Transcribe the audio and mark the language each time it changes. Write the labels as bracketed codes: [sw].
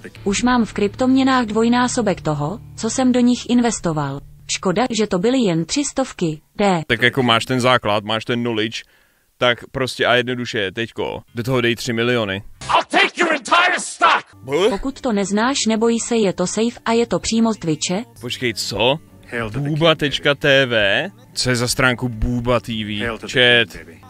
[cs] Už mám v kryptoměnách dvojnásobek toho, co jsem do nich investoval. Škoda, že to byly jen 300 Tak jako máš ten základ, máš ten knowledge. Tak prostě a jednoduše, teďko, do toho dej 3 miliony. [en] I'll take your entire stock. [cs] Pokud to neznáš, nebojí se, je to safe a je to přímo z Twitche. Počkej, co? Booba.tv? Co je za stránku Booba TV? Chat.